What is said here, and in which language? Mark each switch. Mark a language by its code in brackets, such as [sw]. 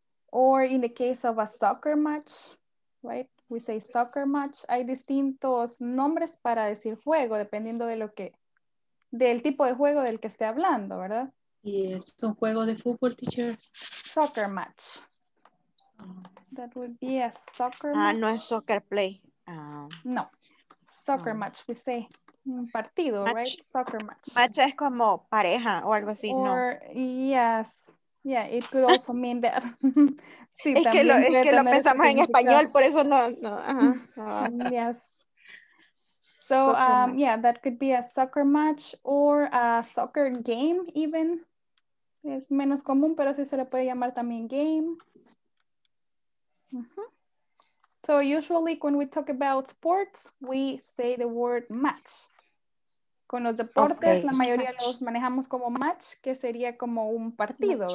[en] Or in the case of a soccer match, right? We say soccer match. [es] Hay distintos nombres para decir juego, dependiendo de lo que, del tipo de juego del que esté hablando, ¿verdad? Yes, un juego de fútbol, teacher. [en] Soccer match. That would be a soccer match. [es] No es [en] soccer play. No. Soccer match, we say. [es] Un partido, [en] match. Right? Soccer match. [es] Match es como pareja o algo así, [en] or, [es] ¿no? [en] Yes. Yeah, it could also mean that. [es] Sí, es que lo pensamos en español, por eso no. No. [en] Yes. So, yeah, that could be a soccer match or a soccer game even. [es] Es menos común, pero sí se le puede llamar también game. Mm-hmm. [en] So usually when we talk about sports, we say the word match. [es] Con los deportes, okay. La mayoría match. Los manejamos como match, que sería como un partido, match.